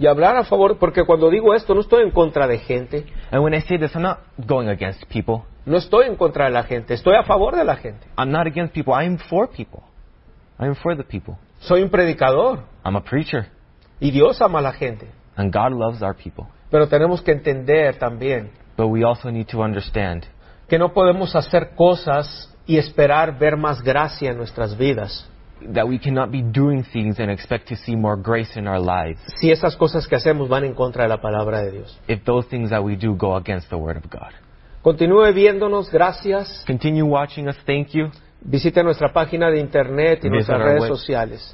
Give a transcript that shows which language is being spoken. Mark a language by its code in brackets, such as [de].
[es] Y hablar a favor, porque cuando digo esto, no estoy en contra de gente. [en] And when I say this, I'm not going against people. [es] No estoy en contra de la gente, estoy a favor de la gente. [en] I'm not against people, I'm for people. I'm for the people. [es] Soy un predicador. [en] I'm a preacher. [es] Y Dios ama a la gente. [en] And God loves our people. [es] Pero tenemos que entender también. [en] But we also need to understand. [es] Que no podemos hacer cosas y esperar ver más gracia en nuestras vidas. [en] That we cannot be doing things and expect to see more grace in our lives. [es] Si esas cosas que hacemos van en contra de la palabra de Dios. [en] If those things that we do go against the word of God. [es] Continúe viéndonos, gracias. [en] Continue watching us, thank you. [es] Visite nuestra página de internet y nuestras redes sociales.